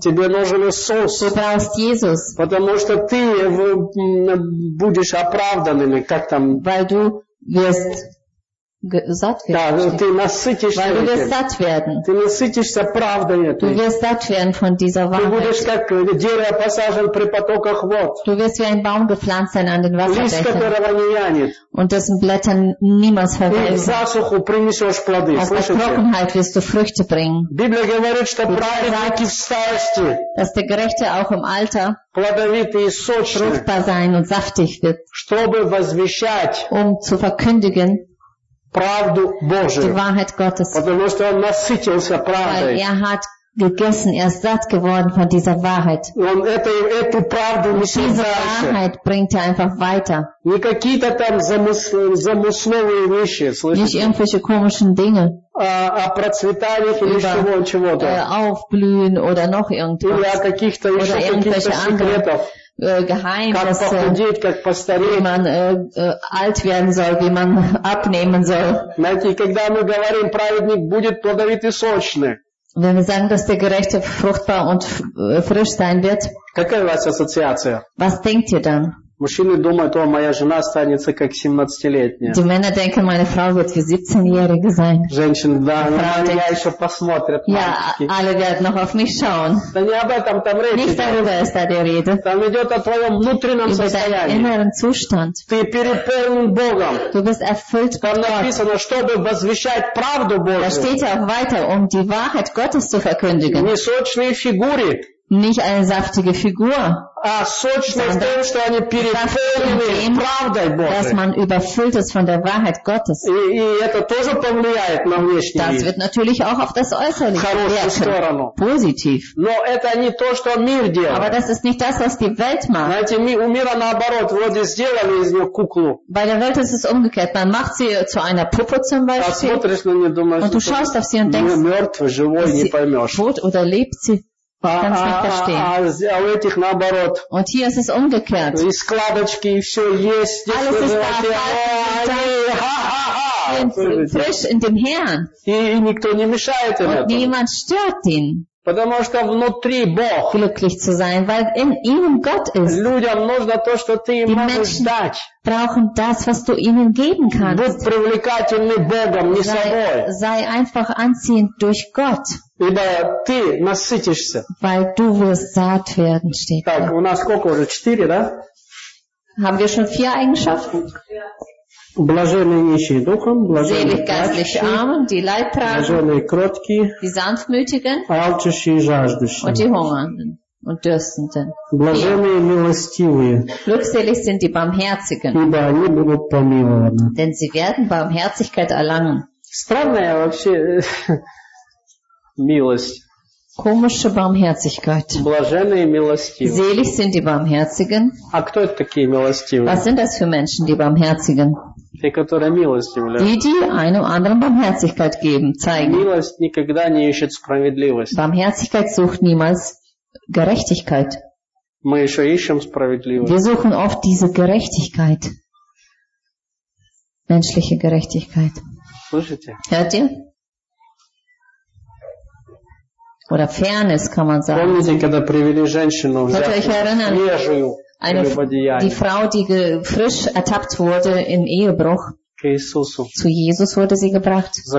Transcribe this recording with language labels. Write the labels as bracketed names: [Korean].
[Russian] Тебе нужен Иисус. Потому что ты будешь оправданным, как там. [German] Weil du wirst satt werden. [Russian] Да, ты насытишься. [German] Weil du wirst satt werden. [Russian] Ты насытишься правдой этой. [German] Du wirst satt werden von dieser Wahrheit. [Russian] Ты будешь как дерево посажен при потоках вод. [German] Du wirst wie ein Baum gepflanzt sein an den Wasserbächen. [Russian] Лист которого не вянет. [German] Und dessen Blätter niemals verwelken. [Russian] И в засуху принесешь плоды. [German] Aus der Trockenheit wirst du Früchte bringen. [Russian] Библия говорит, что праведник в старости. [German] Dass der Gerechte auch im Alter [Russian] плодовитый и сочный. [German] Fruchtbar sein und saftig wird. [Russian] Чтобы возвещать. [German] Um zu verkündigen. [Russian] Правду Божию. Потому что он насытился правдой. [German] Gegessen, er ist satt geworden von dieser Wahrheit. Und [Russian] эту правду [German] und diese Wahrheit bringt er einfach weiter. Nicht irgendwelche komischen Dinge. Aufblühen oder noch irgendwas. Oder irgendwelche andere Geheimnisse, wie man alt werden soll, wie man abnehmen soll. [Russian] Когда мы говорим, праведник будет плодовит и сочный. [German] Wenn wir sagen, dass der Gerechte fruchtbar und frisch sein wird, was denkt ihr dann? [Russian] Мужчины думают, о, моя жена останется как 17-летняя. [German] Die Männer denken, meine Frau wird wie 17-jährige sein. [Russian] Женщины, да, меня еще посмотрят. [German] Ja, alle werden noch auf mich schauen. [Russian] Да не об этом там речь. [German] Nicht darüber ist da die Rede. [Russian] Там идет о твоем внутреннем состоянии. [German] Über deinen inneren Zustand. [Russian] Ты переполнен Богом. [German] Du bist erfüllt mit Gott. [Russian] Там написано, чтобы возвещать правду Божию. [German] Da steht ja auch weiter, die Wahrheit Gottes zu verkündigen. [Russian] Не сочные фигуры. [German] Nicht eine saftige Figur, sondern dass man überfüllt ist von der Wahrheit Gottes. Das wird natürlich auch auf das Äußerliche wirken, positiv. Aber das ist nicht das, was die Welt macht. Bei der Welt ist es umgekehrt. Man macht sie zu einer Puppe zum Beispiel und du schaust auf sie und denkst, tot oder lebt sie? Und hier ist es umgekehrt. [Russian] И складочки, и все есть, [German] alles ist da, frisch in dem Herrn. [Russian] И никто не мешает им этому. [German] Niemand stört ihn. [Russian] Потому что внутри Бог. [German] Glücklich zu sein, weil in ihm Gott ist. [Russian] Людям нужно то, что ты им можешь дать. [German] Brauchen das, was du ihnen geben kannst. [Russian] Будь привлекательным Богом, не собой. [German] Sei einfach anziehend durch Gott. [Russian] Ибо ты насытишься. [German] Weil du wirst satt werden, steht. [Russian] Так, у нас сколько уже? 4, да? [German] Haben wir schon 4 Eigenschaften? [Russian] Блаженные нищие духом, блаженные плачущие, блаженные кроткие, [German] die sanftmütigen, [Russian] алчущие и жаждущие. [German] Und die hungernden. und Dürstenden. [Russian] Блаженные и милостивые. [German] Glückselig sind die Barmherzigen. [Russian] Ибо они будут помилованы. [German] Denn sie werden Barmherzigkeit erlangen. [Russian] Странная вообще милость. [German] Komische Barmherzigkeit. [Russian] Блаженные и милостивые. [German] Selig sind die Barmherzigen. [Russian] А кто это такие милостивые? [German] Was sind das für Menschen, die Barmherzigen? [Russian] Те, которые милость являются. [German] Die einem anderen Barmherzigkeit geben, zeigen. [Russian] Милость никогда не ищет справедливость. [German] Barmherzigkeit sucht niemals Gerechtigkeit. [Russian] Мы еще ищем справедливость. [German] Wir suchen oft diese Gerechtigkeit. Menschliche Gerechtigkeit. [Russian] Слышите? [German] Hört ihr? Oder Fairness, kann man sagen. [Russian] Помните, когда привели женщину взять свежую? [German] Die Frau, die frisch ertappt wurde im Ehebruch, zu Jesus wurde sie gebracht.